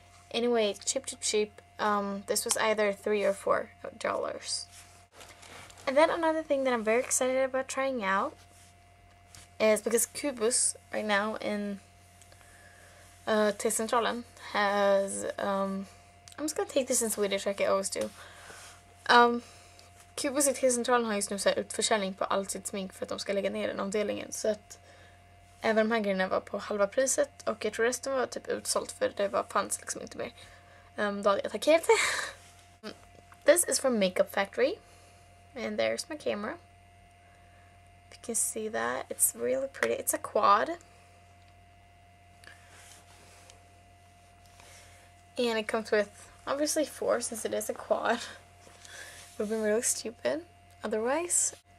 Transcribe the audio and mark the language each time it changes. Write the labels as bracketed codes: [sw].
[en] Anyway, cheap, cheap, cheap. This was either $3 or $4. And then another thing that I'm very excited about trying out is because Cubus right now in T-Centralen has I'm just gonna take this in Swedish like I always do. [sv] Cubus i T-Centralen har just nu såhär utförsäljning på allt sitt smink för att de ska lägga ner den avdelningen. Så att även de här grejerna var på halva priset och jag tror resten var typ utsålt för det var fanns liksom inte mer. Då hade jag attackerat det. [en] This is from Makeup Factory. And there's my camera. If you can see that, it's really pretty. It's a quad. And it comes with obviously four since it is a quad. Would've been really stupid otherwise.